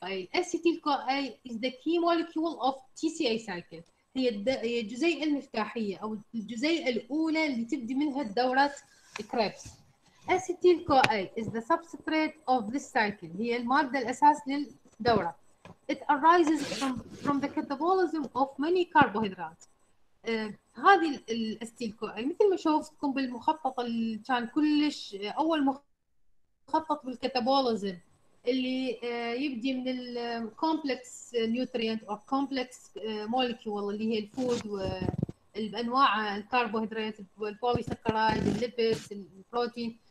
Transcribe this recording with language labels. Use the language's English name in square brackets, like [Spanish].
[English] اي acetyl co A is the key molecule of T C A cycle, [Arabic] هي الجزيئه المفتاحيه او الجزيئه الاولى اللي تبدي منها الدورات كريبس. [English] acetyl co A is the substrate of the cycle, [Arabic] هي الماده الاساس للدوره. [English] It arises from the catabolism of many carbohydrates. [Arabic] هذه الاستيلكو اي مثل ما شوفتكم بالمخطط اللي كان كلش اول مخطط بالكتابوليزم اللي يبدي من الكومبلكس نيوتريانت او كومبلكس مولكيول اللي هي الفود وانواع الكربوهيدرات والبولي سكرايد الليبيدز البروتين.